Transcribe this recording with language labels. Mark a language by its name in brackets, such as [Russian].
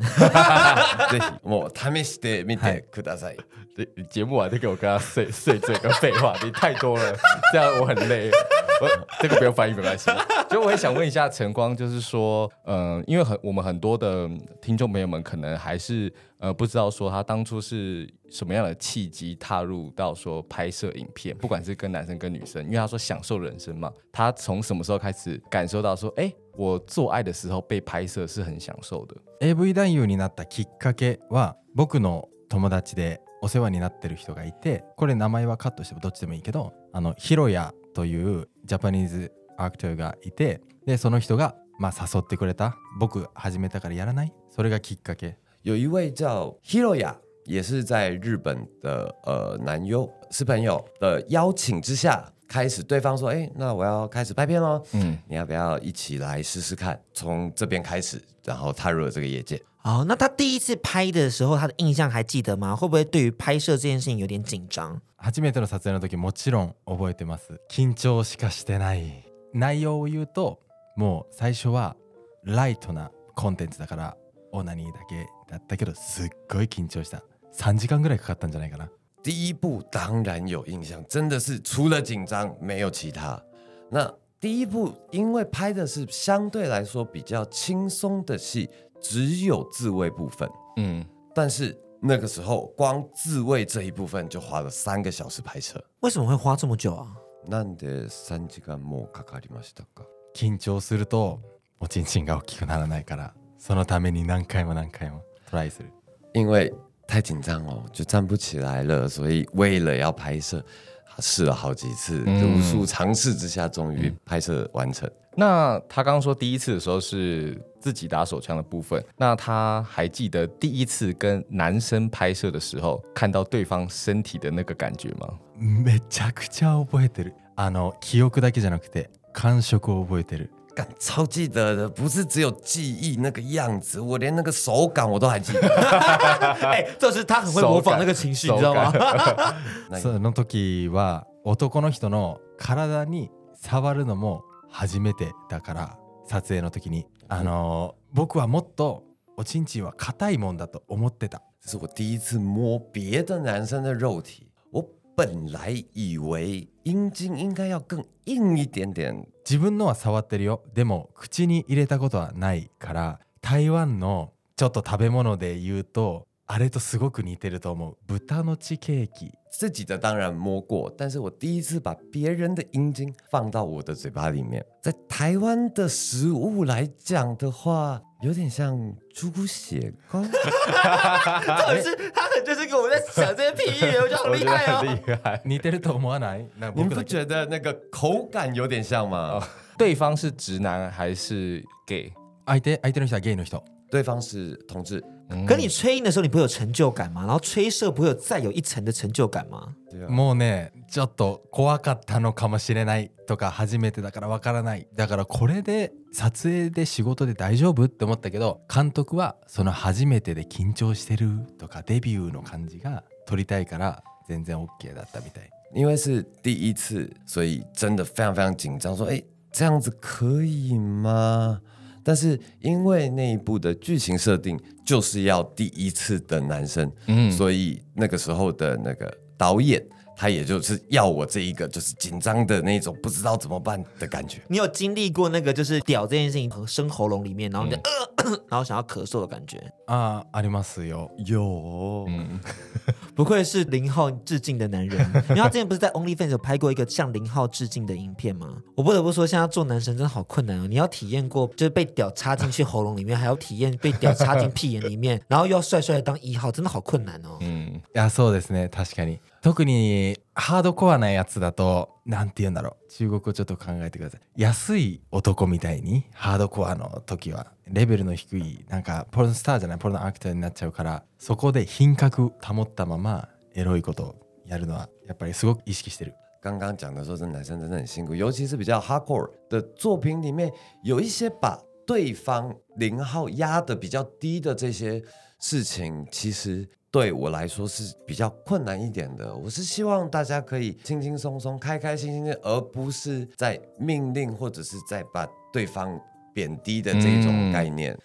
[Japanese] ぜひもう試してみてください。 [Chinese] 节目完就给我跟他碎嘴跟废话，你太多了，这样我很累。这个不用翻译没关系。就我也想问一下晨光，就是说，因为我们很多的听众朋友们可能还是不知道说他当初是什么样的契机踏入到说拍摄影片，不管是跟男生跟女生，因为他说享受人生嘛，他从什么时候开始感受到说，哎？我做愛的時候被拍攝是很享受的。 [Japanese] AV 男優になったきっかけは僕の友達でお世話になってる人がいて、これ名前はカットしてもどっちでもいいけど、あのヒロヤというジャパニーズアクターがいて、でその人が、まあ、誘ってくれた、僕始めたからやらない、それがきっかけ。 [Chinese] 有一位叫ヒロヤ，也是在日本的男優，是朋友的邀请之下开始，对方说：“哎，那我要开始拍片喽，你要不要一起来试试看？从这边开始，然后踏入了这个业界。” 哦，那他第一次拍的时候，他的印象还记得吗？会不会对于拍摄这件事情有点紧张？ [Japanese] 初めての撮影の時もちろん覚えてます。緊張しかしてない。内容を言うと、もう最初はライトなコンテンツだからオナニーだけだったけど、すっごい緊張した。 3時間ぐらいかかったんじゃないかな。 [Chinese] 第一部当然有印象，真的是除了紧张没有其他。那第一部因为拍的是相对来说比较轻松的戏，只有自慰部分，但是那个时候光自慰这一部分就花了三个小时拍摄。为什么会花这么久啊？ [Japanese] なんで三時間もかかりましたか？緊張するとおちんちんが大きくならないから、そのために何回も何回もトライする。 [Chinese] 因为太紧张哦，就站不起来了，所以为了要拍摄，试了好几次，无数尝试之下，终于拍摄完成。那他刚刚说第一次的时候是自己打手枪的部分，那他还记得第一次跟男生拍摄的时候看到对方身体的那个感觉吗？ [Japanese] めちゃくちゃ覚えてる。あの記憶だけじゃなくて感触を覚えてる。 [Chinese] 超记得的，不是只有记忆那个样子，我连那个手感我都还记得。这是他很会模仿那个情绪，你知道吗？ [Japanese] その時は男の人の体に触るのも初めてだから、撮影の時に僕はもっとおちんちんは硬いもんだと思ってた。 [Chinese] 是我第一次摸别的男生的肉体。本来以为阴茎应该要更硬一点点。 [Japanese] 自分のは触ってるよ。でも口に入れたことはないから、台湾のちょっと食べ物で言うと、あれとすごく似てると思う。豚の血ケーキ。 [Chinese] 自己的当然摸过，但是我第一次把别人的阴茎放到我的嘴巴里面。在台湾的食物来讲的话，有点像猪骨血糕。到底是他很就是跟我在想这些譬喻，我觉得好厉害哦。很厉害， [Japanese] 似てると思わない？ [Chinese] 你不觉得那个口感有点像吗？对方是直男还是 gay？ [Japanese] 相手の人は gay の人。 [Chinese] 对方是同志。可你吹音的时候你不会有成就感吗？然后吹射不会有再有一层的成就感吗？ [Japanese] もうね、ちょっと怖かったのかもしれないとか、初めてだからわからない。だからこれで撮影で仕事で大丈夫って思ったけど、監督はその初めてで緊張してるとか、デビューの感じが撮りたいから全然 OK だったみたい。 [Chinese] 因为是第一次、所以真的非常非常紧张、说、欸、这样子可以吗？但是因为那一部的剧情设定就是要第一次的男生，所以那个时候的那个导演他也就是要我这一个就是紧张的那种不知道怎么办的感觉。你有经历过那个就是屌这件事情生喉咙里面，然后你就然后想要咳嗽的感觉 [Japanese] 啊？ありますよ。 [Chinese] 有，不愧是零号致敬的男人。你知道之前不是在 OnlyFans 有拍过一个向零号致敬的影片吗？我不得不说，现在做男神真的好困难哦。你要体验过就是被屌插进去喉咙里面，还要体验被屌插进屁眼里面，然后又要帅帅的当一号，真的好困难哦。 [Japanese] 啊，そうですね。確かに。特にハードコアなやつだと、なんて言うんだろう、中国語ちょっと考えてください。安い男みたいに、ハードコアの時はレベルの低い、なんかポルノスターじゃない、ポルノアクターになっちゃうから、そこで品格保ったままエロいことをやるのはやっぱりすごく意識してる。 [Chinese] 刚刚讲的说真的男生真的很辛苦，尤其是比较 hardcore 的作品里面，有一些把对方零号压得比较低的这些事情，其实对我来说是比较困难一点的。我是希望大家可以轻轻松松、开开心心的，而不是在命令或者是在把对方贬低的这种概念。